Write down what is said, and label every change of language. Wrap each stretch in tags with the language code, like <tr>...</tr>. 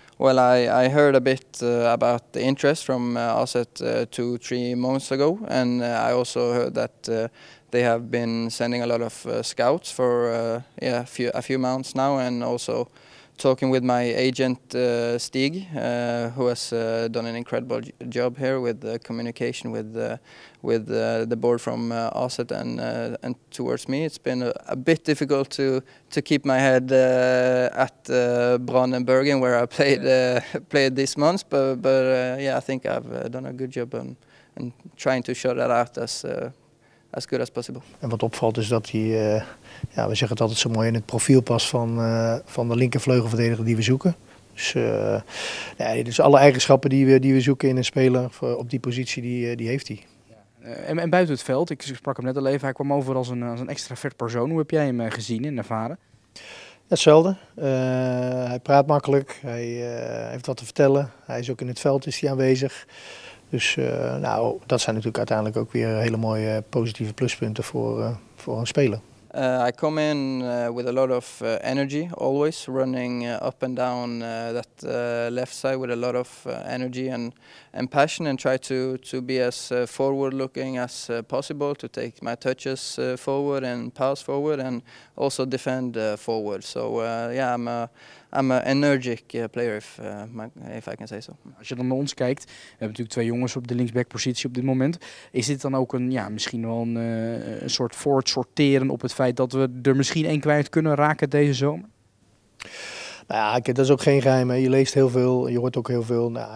<en>Well, I heard a bit about the interest from AZ 2-3 months ago, and I also heard that they have been sending a lot of scouts for a few months now, and also talking with my agent Stig, who has done an incredible job here with the communication with the board from AZ and towards me. It's been a bit difficult to keep my head at Brandenburgen, where I played played this month. But I think I've done a good job and trying to show that out as good as possible.</en> <nl>En wat opvalt is dat hij, we zeggen het altijd zo mooi, in het profiel past van de linkervleugelverdediger die we zoeken. Dus alle eigenschappen die we zoeken in een speler op die positie, die heeft hij. En buiten het veld, ik sprak hem net al even, hij kwam over als een extravert persoon. Hoe heb jij hem gezien en ervaren? Hetzelfde. Hij praat makkelijk, hij heeft wat te vertellen. Hij is ook in het veld is hij aanwezig. Dus dat zijn natuurlijk uiteindelijk ook weer hele mooie positieve pluspunten voor een speler.</nl> <en>I come in with a lot of energy, always running up and down that left side with a lot of energy and passion, and try to be as forward-looking as possible, to take my touches forward and pass forward, and also defend forward. So I'm a energetic player, if I can say so.</en> <nl>Als je dan naar ons kijkt, we hebben natuurlijk twee jongens op de linksbackpositie op dit moment. Is dit dan ook een soort voortsorteren op het feit dat we er misschien één kwijt kunnen raken deze zomer? Nou, dat is ook geen geheim. Hè. Je leest heel veel, je hoort ook heel veel.</nl>